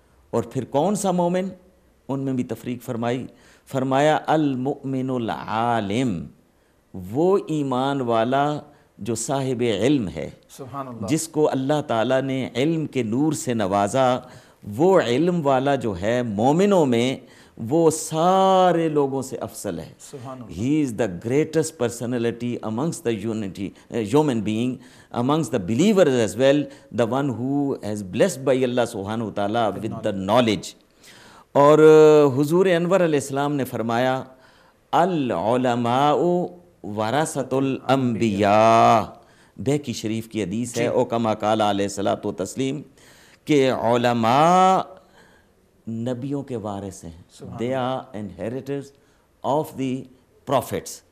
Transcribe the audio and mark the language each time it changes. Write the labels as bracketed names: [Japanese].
[Urdu] اور پھر کون سا مومن؟ ان میں بھی تفریق فرمائی, فرمایا [Arabic] المؤمن العالم, [Urdu] وہ ایمان والا جو صاحب علم ہے. سبحان اللہ. جس کو اللہ تعالیٰ نے علم کے نور سے نوازا, وہ علم والا جو ہے مومنوں میں وہ سارے لوگوں سے افضل ہے. [English] He is the greatest personality amongst the unity human being amongst the believers as well, the one who has blessed by اللہ سبحانہ وتعالیٰ with the knowledge. [Urdu] اور حضور انور علیہ السلام نے فرمایا, [Arabic] العلماء ورثۃ الانبیاء, [Urdu] بیہقی شریف کی حدیث ہے, [Arabic] او کما قال علیہ الصلوۃ والتسلیم, [Urdu] کہ علماء نبیوں کے وارث ہیں, [English] They are inheritors of the prophets.